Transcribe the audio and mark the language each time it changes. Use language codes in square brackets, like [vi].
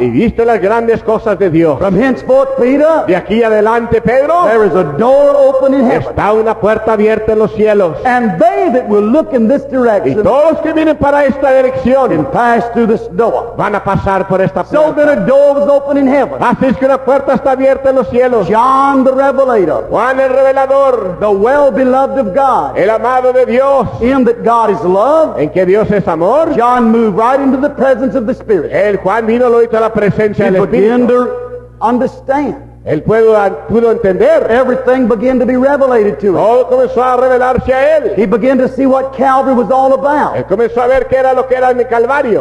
[es] Y viste las grandes cosas de Dios. [en] From henceforth, Peter. [es] De aquí adelante, Pedro. [en] There is a door open in heaven. [es] Está una puerta abierta en los cielos. [en] And they that will look in this direction. [es] Y todos que vienen para esta dirección. [en] Can pass through this door. [es] Van a pasar por esta puerta. [en] So that a door was open in heaven. [es] Así es que una puerta está abierta en los cielos. [en] John. The revelator, [es] Juan el revelador, [en] the well-beloved of God, [es] el amado de Dios, [en] in that God is love, [es] en que Dios es amor. [en] John moved right into the presence of the Spirit. [es] El Juan vino lo hizo a la presencia del Espíritu. [en] He began to understand. [es] Él pudo entender. [en] Everything began to be revelated to him. [es] Todo comenzó a revelarse a él. [en] He began to see what Calvary was all about. [es] Él comenzó a ver qué era lo que era el Calvario.